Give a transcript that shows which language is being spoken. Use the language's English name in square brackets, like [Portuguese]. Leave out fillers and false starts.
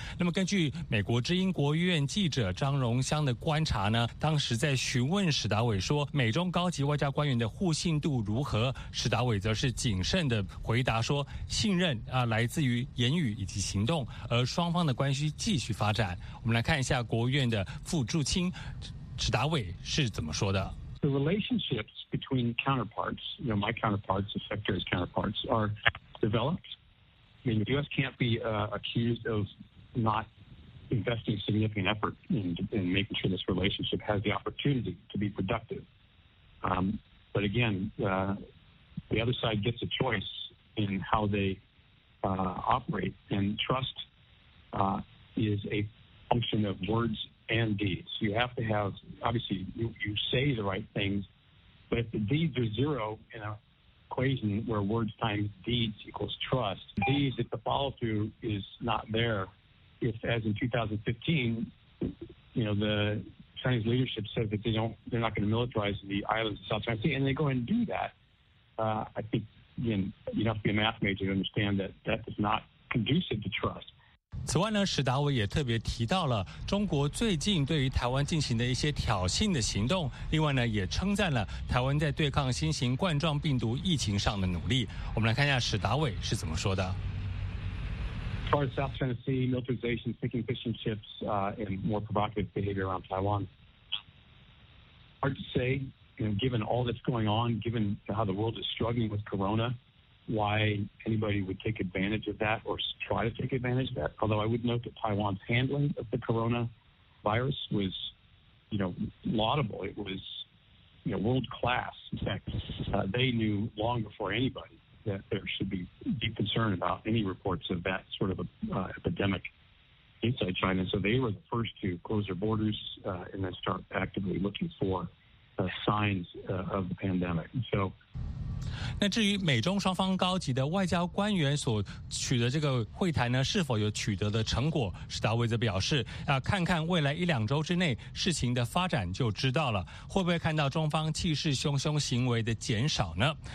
[Chinese] 那么根据美国之音国务院记者张荣香的观察呢，当时在询问史达伟说美中高级外交官员的互信度如何，史达伟则是谨慎的回答说信任啊来自于言语以及行动，而双方的关系继续发展。我们来看一下国务院的副驻青史达伟是怎么说的。 [English] The relationships between counterparts, you know, my counterparts, the secretary's counterparts, are developed. I mean, the U.S. can't be accused of not investing significant effort in making sure this relationship has the opportunity to be productive. But again, the other side gets a choice in how they operate, and trust is a function of words. And deeds. You have to have, obviously, you say the right things, but if the deeds are zero in an equation where words times deeds equals trust, deeds, if the follow through is not there, if, as in 2015, you know, the Chinese leadership said that they're not going to militarize the islands of the South China Sea, and they go and do that, I think, again, you don't have to be a math major to understand that that is not conducive to trust. [Chinese] 此外呢，史达伟也特别提到了中国最近对于台湾进行的一些挑衅的行动，另外呢也称赞了台湾在对抗新型冠状病毒疫情上的努力。我们来看一下史达伟是怎么说的。 [English] As far as South China Sea militarization, sinking fishing ships, and more provocative behavior around Taiwan, hard to say, you know, given all that's going on, given how the world is struggling with corona. Why anybody would take advantage of that or try to take advantage of that. Although I would note that Taiwan's handling of the coronavirus was, you know, laudable. It was, you know, world class. In fact, they knew long before anybody that there should be deep concern about any reports of that sort of epidemic inside China. So they were the first to close their borders and then start actively looking for signs of the pandemic. So, [Chinese] 那至于美中双方高级的外交官员所取得这个会谈呢，是否有取得的成果，史达伟则表示要看看未来一两周之内事情的发展就知道了，会不会看到中方气势汹汹行为的减少呢。